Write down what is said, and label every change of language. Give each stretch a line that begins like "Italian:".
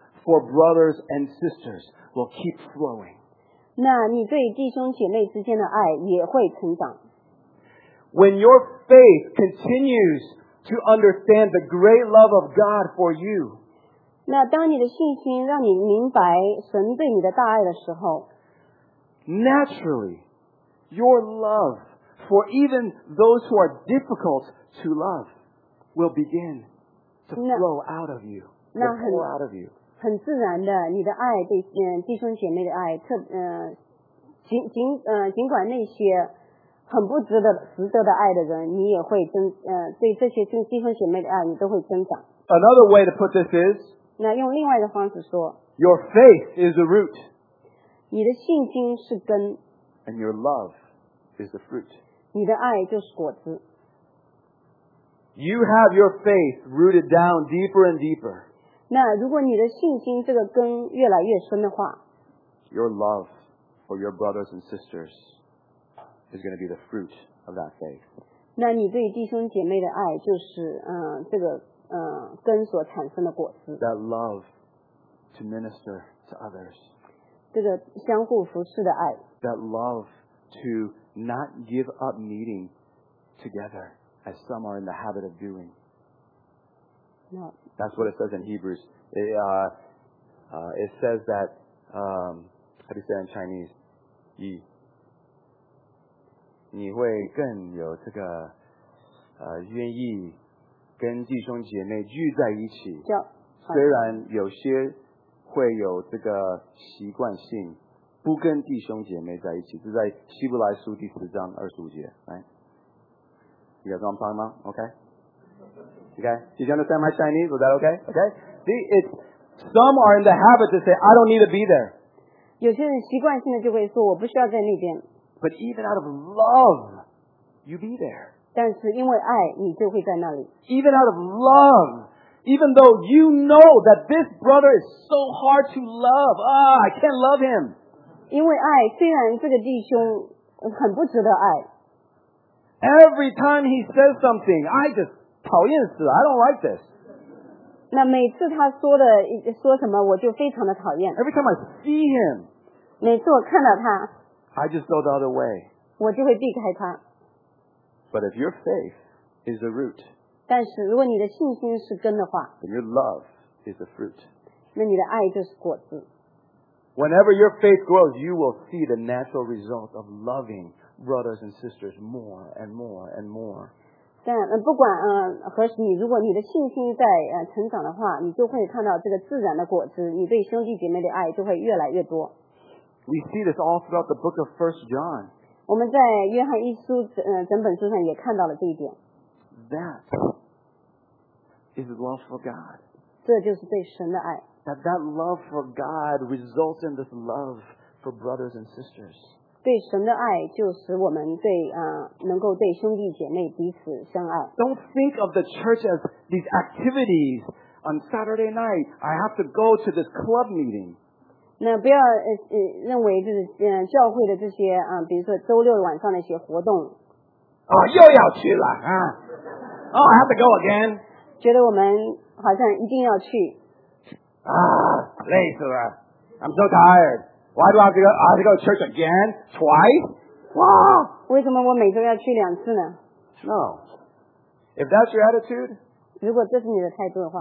English: For brothers and sisters will keep flowing.
Chinese: 那你对弟兄姐妹之间的爱也会成长。
English: When your faith continues to understand the great love of God for you,
Chinese: 那当你的信心让你明白神对你的大爱的时候
English: ，naturally, your love for even those who are difficult to love will begin to flow out of you, will pour out of you.
Chinese: 很自然的，你的爱对弟兄姐妹的爱，尽管那些很不值得的爱的人，你也会对这些弟兄姐妹的爱，你都会增长。
English: Another way to put this is，
Chinese: 那用另外的方式说。
English: Your faith is the root.
Chinese: 你的信心是根。
English: And your love is the fruit.
Chinese: 你的爱就是果子。
English: You have your faith rooted down deeper and deeper.
Chinese: 那如果你的信心这个根越来越深的话。
English: Your love for your brothers and sisters is going to be the fruit of that faith.
Chinese: 那你对弟兄姐妹的爱就是这个根所产生的果子。
English: That love to minister to others.
Chinese: 这个相互服侍的爱。
English: That love to not give up meeting together as some are in the habit of doing. No. That's what it says in Hebrews. It says that how do you say in Chinese?
Chinese: 你会更有这个愿意跟弟兄姐妹聚在一起。虽然有些会有这个习惯性不跟弟兄姐妹在一起，是在希伯来书第十章二十五节。
English: Right? You guys know what I'm talking about? Okay? Okay? Did you understand my Chinese? Was that okay? Okay? See, some are in the habit to say, I don't need to be there.
Chinese: 有些人习惯性的就会说，我不需要在那边。
English: But even out of love, you be there.
Chinese: 但是因为爱，你就会在那里。
English: Even out of love, even though you know that this brother is so hard to love, I can't love him.
Chinese: 因为爱，虽然这个弟兄很不值得爱。
English: Every time he says something, I just
Chinese: 讨厌死了
English: I don't like this.
Chinese: 那每次他说什么，我就非常的讨厌。
English: Every time I see him,
Chinese: 每次我看到他。
English: I just go the other way.
Chinese: 我就会避开他。
English: But if your faith is the root,
Chinese: 但是如果你的信心是根的话，
English: then your love is the fruit.
Chinese: 那你的爱就是果子。
English: Whenever your faith grows, you will see the natural result of loving brothers and sisters more and more and more.
Chinese: 但不管何时，如果你的信心在成长的话，你就会看到这个自然的果子，你对兄弟姐妹的爱就会越来越多。
English: We see this all throughout the book of 1 John.
Chinese: 我们在约翰一书整本书上也看到了这一点。
English: That is love for God.
Chinese: 这就是对神的爱。
English: That love for God results in this love for brothers and sisters.
Chinese: 对神的爱就使我们对能够对兄弟姐妹彼此相爱。
English: Don't think of the church as these activities on Saturday night. I have to go to this club meeting.
Chinese: 那不要认为就是教会的这些比如说周六晚上的一些活动。
English: 啊、oh,
Chinese: 又要去了啊。
English: Oh, I have to go again.
Chinese: 觉得我们好像一定要去。
English: 啊、ah,
Chinese: 累死了。
English: I'm so tired. Why do I have to go to church again? Twice? Wow!
Chinese: 为什么我每周要去两次呢
English: ?No. If that's your attitude,
Chinese: 如果这是你的态度的话